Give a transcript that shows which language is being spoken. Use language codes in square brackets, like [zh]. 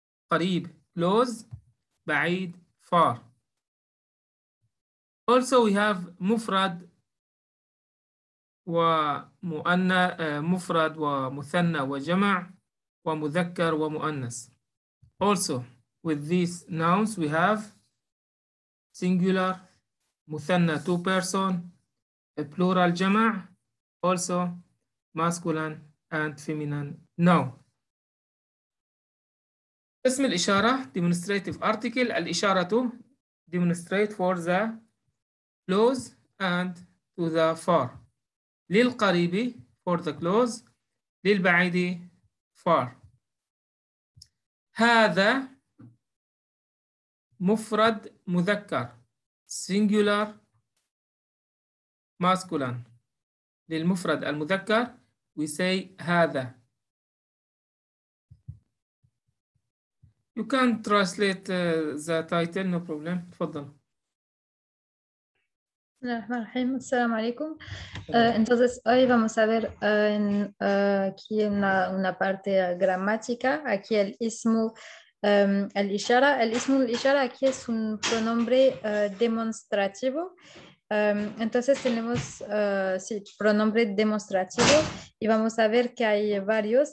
[ar] قريب close، بعيد far. [en] Also we have [ar] مفرد ومؤن مفرد ومثنى وجمع ومذكر ومؤنث. [en] Also with these nouns we have singular مثنى two person, plural جمع, also masculine and feminine noun. [ar] اسم الإشارة [en] demonstrative article، الإشارة demonstrate for the close and to the far. [ar] للقريب [en] for the close، [ar] للبعيد [en] far. [ar] هذا مفرد مذكر [en] singular masculine. [ar] للمفرد المذكر [en] we say [ar] هذا. [en] You can translate the title, no problem. [ar] تفضل. بسم الله الرحمن الرحيم، السلام عليكم. [es] Entonces hoy vamos a ver en aquí una parte gramática. Aquí el ismo el ishara. El ismo el ishara aquí es un pronombre demostrativo. Entonces tenemos sí, pronombre demostrativo y vamos a ver que hay varios.